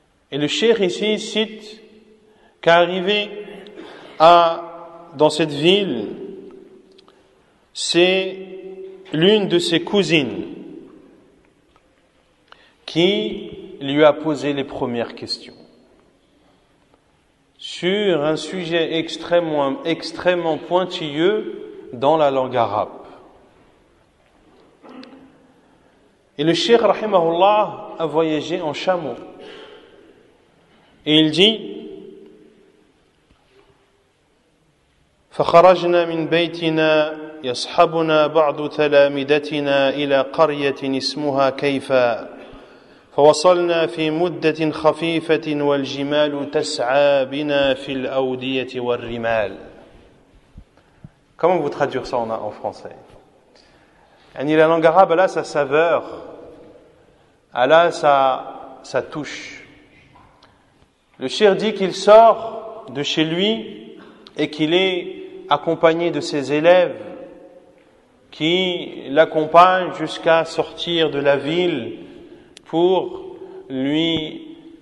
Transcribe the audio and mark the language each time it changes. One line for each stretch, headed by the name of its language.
French: Et le Cheikh ici cite qu'arrivé dans cette ville, c'est l'une de ses cousines qui lui a posé les premières questions sur un sujet extrêmement pointilleux dans la langue arabe. Et le Cheikh rahimahullah a voyagé en chameau.
Arabic: Et il dit: فخرجنا من بيتنا يصحبنا بعض تلامذتنا إلى قرية اسمها كيفا فوصلنا في مدة خفيفة والجمال تسعى بنا في الأودية والرمال.
French: Comment vous traduire ça en français? Yani, la langue arabe, elle a sa saveur, elle a sa touche. Le Cheikh dit qu'il sort de chez lui et qu'il est accompagné de ses élèves qui l'accompagnent jusqu'à sortir de la ville pour lui